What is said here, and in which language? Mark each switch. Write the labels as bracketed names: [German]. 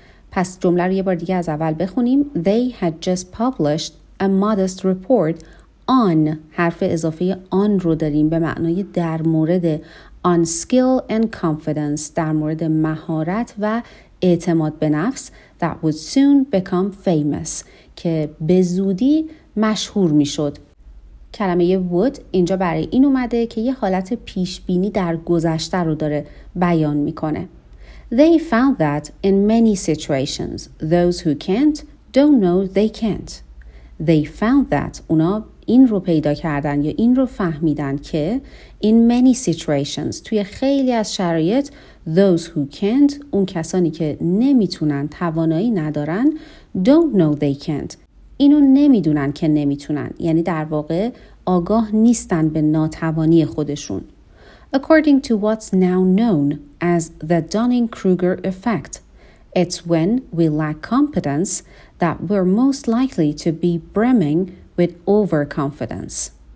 [Persian] پس جمله رو یه بار دیگه از اول بخونیم. [English] They had just published a modest report on، [Persian] حرف اضافه on رو داریم به معنای در مورد، [English] on skill and confidence، [Persian] در مورد مهارت و اعتماد به نفس، [English] that would soon become famous، [Persian] که به زودی مشهور می شد. کلمه would اینجا برای این اومده که یه حالت پیشبینی در گذشته رو داره بیان میکنه. [English] They found that in many situations those who can't don't know they can't. They found that [Persian] اونا این رو پیدا کردن یا این رو فهمیدن که [English] in many situations [Persian] توی خیلی از شرایط [English] those who can't [Persian] اون کسانی که نمیتونن توانایی ندارن [English] don't know they can't. [Persian] اینو نمیدونن که نمیتونن، یعنی در واقع آگاه نیستن به ناتوانی خودشون. [English] According to what's now known as the Dunning-Kruger effect, it's when we lack competence that we're most likely to be brimming with overconfidence.